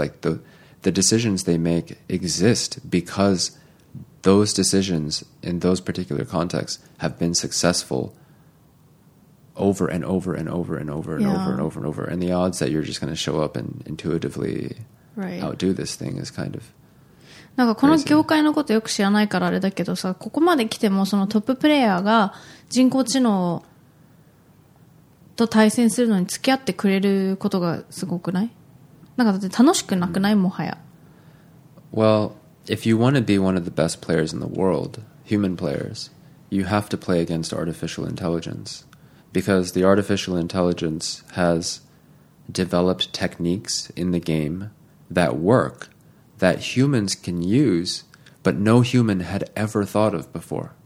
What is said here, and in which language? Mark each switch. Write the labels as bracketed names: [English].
[English] Like the decisions they make exist because those decisions in those particular contexts have been successful over and over and over and over and over and over and over. And the odds that you're just going to show up and intuitively outdo this thing is kind of [Japanese] なんかこの業界のことよく知らないからあれだけどさ、ここまで来てもそのトッププレイヤーが人工知能と対戦するのに付き合ってくれることがすごくない? なんかだって楽しくなくない? もはや。 [English] Well, if you want to be one of the best players in the world, human players, you have to play against artificial intelligence. Because the artificial intelligence has developed techniques in the game that work, that humans can use, but no human had ever thought of before.